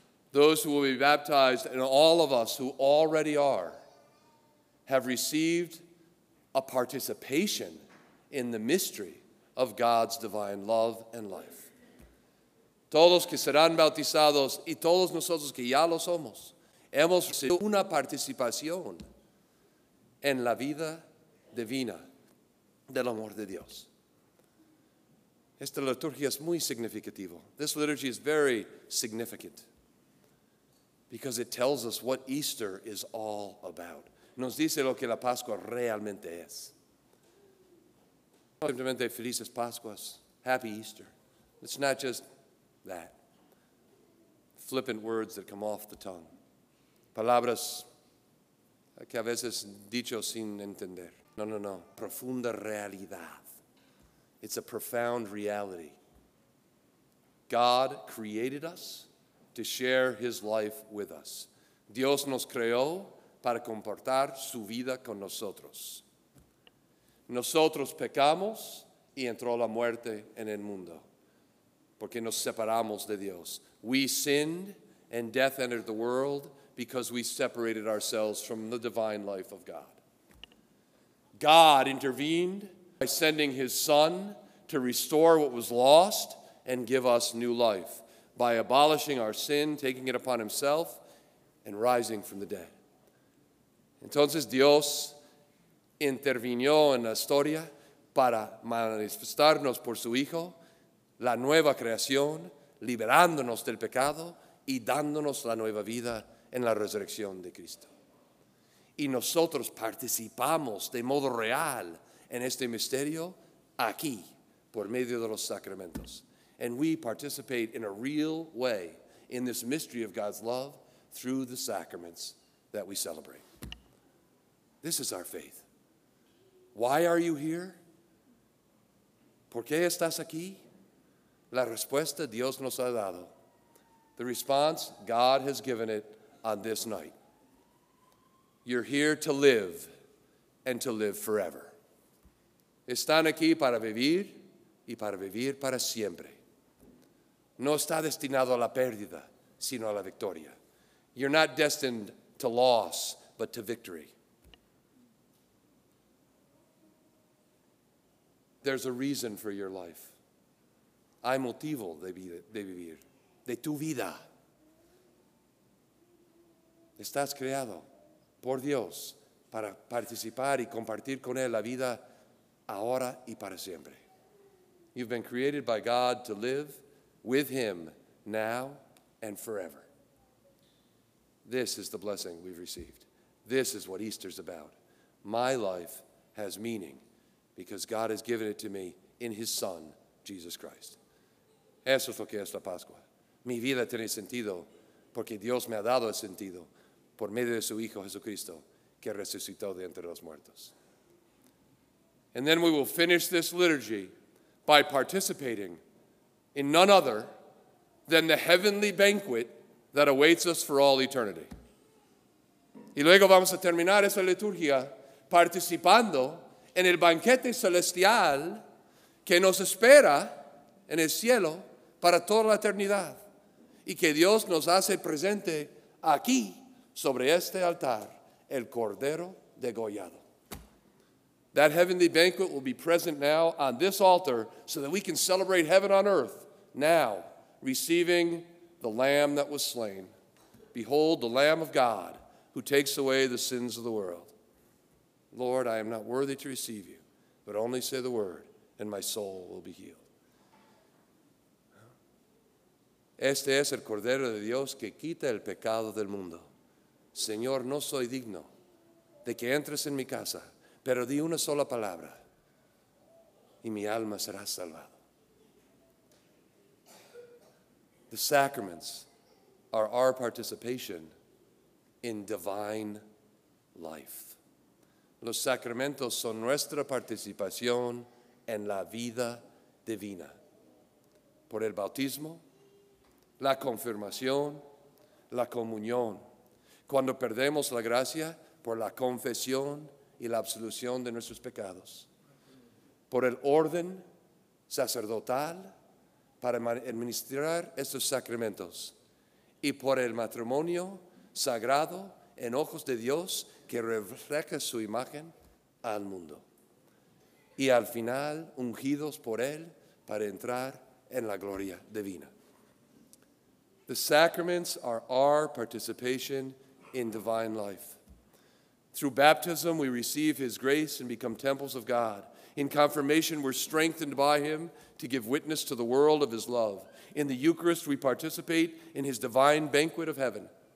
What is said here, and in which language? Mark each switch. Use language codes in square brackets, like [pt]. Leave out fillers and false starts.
[en] Those who will be baptized and all of us who already are have received a participation in the mystery of God's divine love and life. [es] Todos que serán bautizados y todos nosotros que ya lo somos, hemos recibido una participación en la vida divina del amor de Dios. Esta liturgia es muy significativa. [en] This liturgy is very significant because it tells us what Easter is all about. [es] Nos dice lo que la Pascua realmente es. Simplemente felices Pascuas, [en] happy Easter. It's not just that. Flippant words that come off the tongue. [es] Palabras que a veces dicho sin entender. No. Profunda realidad. [en] It's a profound reality. God created us to share his life with us. [es] Dios nos creó para compartir su vida con nosotros. Nosotros pecamos y entró la muerte en el mundo porque nos separamos de Dios. [en] We sinned and death entered the world because we separated ourselves from the divine life of God. God intervened by sending his Son to restore what was lost and give us new life by abolishing our sin, taking it upon himself, and rising from the dead. [es] Entonces Dios intervino en la historia para manifestarnos por su Hijo, la nueva creación, liberándonos del pecado y dándonos la nueva vida en la resurrección de Cristo. Y nosotros participamos de modo real en este misterio aquí, por medio de los sacramentos. [en] And we participate in a real way in this mystery of God's love through the sacraments that we celebrate. This is our faith. Why are you here? [es] ¿Por qué estás aquí? La respuesta Dios nos ha dado. [en] The response, God has given it on this night. You're here to live and to live forever. [es] Están aquí para vivir y para vivir para siempre. No está destinado a la pérdida, sino a la victoria. [en] You're not destined to loss, but to victory. There's a reason for your life. [es] Hay motivo de vivir, de tu vida. Estás creado por Dios para participar y compartir con Él la vida ahora y para siempre. [en] You've been created by God to live with Him now and forever. This is the blessing we've received. This is what Easter's about. My life has meaning because God has given it to me in His Son, Jesus Christ. [es] Eso es lo que es la Pascua. Mi vida tiene sentido porque Dios me ha dado el sentido por medio de su Hijo Jesucristo que resucitó de entre los muertos. [en] And then we will finish this liturgy by participating in none other than the heavenly banquet that awaits us for all eternity. [es] Y luego vamos a terminar esa liturgia participando en el banquete celestial que nos espera en el cielo para toda la eternidad y que Dios nos hace presente aquí sobre este altar, el Cordero degollado. [en] That heavenly banquet will be present now on this altar so that we can celebrate heaven on earth now, receiving the Lamb that was slain. Behold, the Lamb of God who takes away the sins of the world. Lord, I am not worthy to receive you, but only say the word, and my soul will be healed. [es] Este es el Cordero de Dios que quita el pecado del mundo. Señor, no soy digno de que entres en mi casa, pero di una sola palabra, y mi alma será salvada. The sacraments are our participation in divine life. Los sacramentos son nuestra participación en la vida divina. Por el bautismo, la confirmación, la comunión. Cuando perdemos la gracia, por la confesión y la absolución de nuestros pecados. Por el orden sacerdotal para administrar estos sacramentos. Y por el matrimonio sagrado en ojos de Dios que refleja su imagen al mundo. Y al final, ungidos por Él para entrar en la gloria divina. [en] The sacraments are our participation in divine life. Through baptism, we receive His grace and become temples of God. In confirmation, we're strengthened by Him to give witness to the world of His love. In the Eucharist, we participate in His divine banquet of heaven.